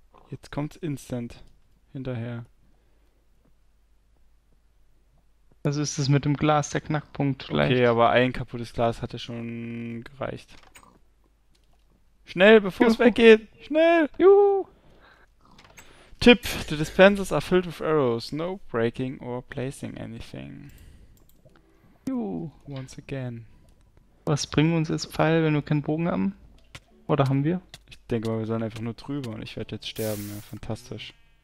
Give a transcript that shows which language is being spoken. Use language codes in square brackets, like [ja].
[de] Jetzt kommt's instant hinterher. Also ist es mit dem Glas der Knackpunkt vielleicht. Okay, aber ein kaputtes Glas hatte schon gereicht. Schnell, bevor es weggeht! Schnell! Juhu! [en] Tipp: The dispensers are filled with arrows. No breaking or placing anything. Once again. [de] Was bringen uns jetzt Pfeil, wenn wir keinen Bogen haben? Oder haben wir? Ich denke mal, wir sollen einfach nur drüber und ich werde jetzt sterben. Ja, fantastisch.